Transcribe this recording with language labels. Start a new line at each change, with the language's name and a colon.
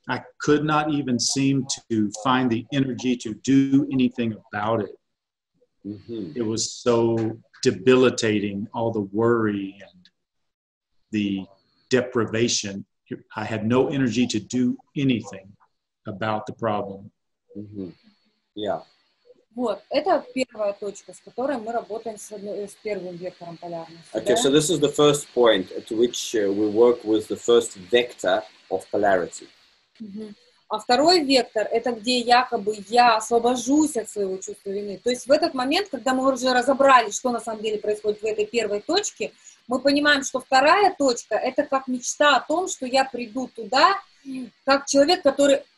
English: I could not even seem to find the energy to do anything about it. Mm-hmm. It was so debilitating, all the worry and the deprivation. I had no energy to do anything about the problem. Mm-hmm. Yeah.
Russian: Вот, это первая точка, с которой мы работаем с первым вектором полярности.
English: Okay, So this is the first point at which we work with the first vector of polarity. Uh-huh.
Russian: А второй вектор, это где якобы я освобожусь от своего чувства вины. То есть в этот момент, когда мы уже разобрали, что на самом деле происходит в этой первой точке, мы понимаем, что вторая точка, это как мечта о том, что я приду туда, как человек, который...